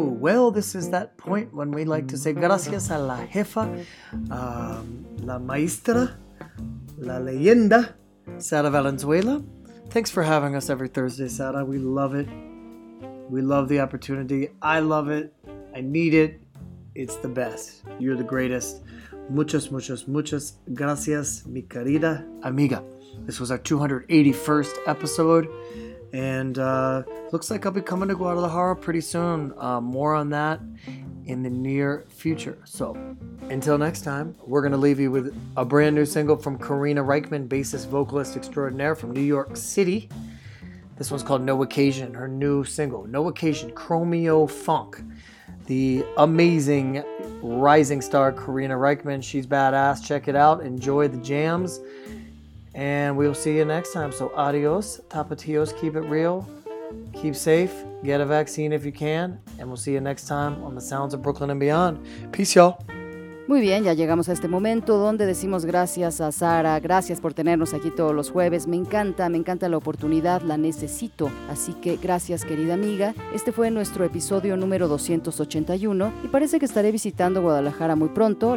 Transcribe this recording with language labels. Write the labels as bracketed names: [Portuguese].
[English] Well, this is that point when we like to say [Spanish] gracias a la jefa, la maestra, la leyenda, Sara Valenzuela. [English] Thanks for having us every Thursday, Sara. We love it. We love the opportunity. I love it. I need it. It's the best. You're the greatest. [Spanish] Muchas, muchas, muchas gracias, mi querida amiga. [English] This was our 281st episode. And looks like I'll be coming to Guadalajara pretty soon. More on that in the near future. So until next time, we're going to leave you with a brand new single from Karina Rykman, bassist, vocalist extraordinaire from New York City. This one's called No Occasion, her new single. No Occasion, Chromio Funk. The amazing rising star Karina Rykman. She's badass. Check it out. Enjoy the jams. And we'll see you next time. So adios, tapatios, keep it real, keep safe, get a vaccine if you can, and we'll see you next time on The Sounds of Brooklyn and Beyond. Peace, y'all. [Spanish] Muy bien, ya llegamos a este momento donde decimos gracias a Sara, gracias por tenernos aquí todos los jueves. Me encanta la oportunidad, la necesito. Así que gracias, querida amiga. Este fue nuestro episodio número 281 y parece que estaré visitando Guadalajara muy pronto.